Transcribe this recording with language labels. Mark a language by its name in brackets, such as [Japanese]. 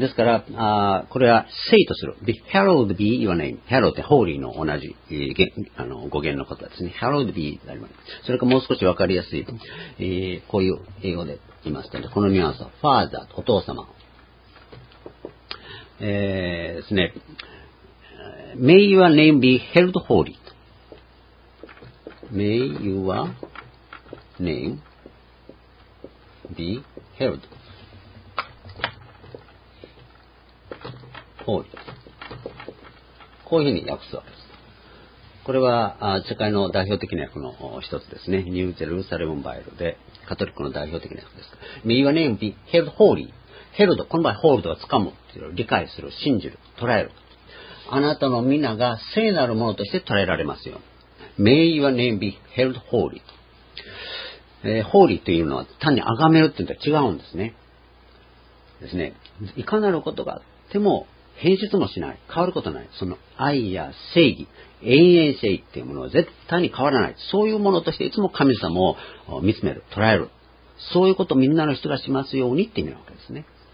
[Japanese] ですから、これは聖とする。 [English] Be hallowed be your name. [Japanese] Hallowed ってホーリーの同じ語源のことですね。 [English] Hallowed be [Japanese] であります。それからもう少しわかりやすい、こういう英語で言いますので、このニュアンスは Father、お父様。ですね。 [English] May your name be held holy. May your nameBe held holy. [Japanese] こういうふうに訳すわけです。これは、世界の代表的な訳の一つですね。ニュー・ジェルサレム・バイルで、カトリックの代表的な訳です。 [English] Me your name be held holy. [Japanese] Held, この場合、hold は掴むっていう、理解する、信じる、捉える。あなたの皆が聖なるものとして捉えられますよ。 [English] Me your name be held holy. [Japanese] ホーリーというのは単に崇めるというのとは違うんですね。ですね。いかなることがあっても変質もしない。変わることない。その愛や正義、永遠性っていうものは絶対に変わらない。そういうものとしていつも神様を見つめる、捉える。そういうことをみんなの人がしますようにって意味なわけですね。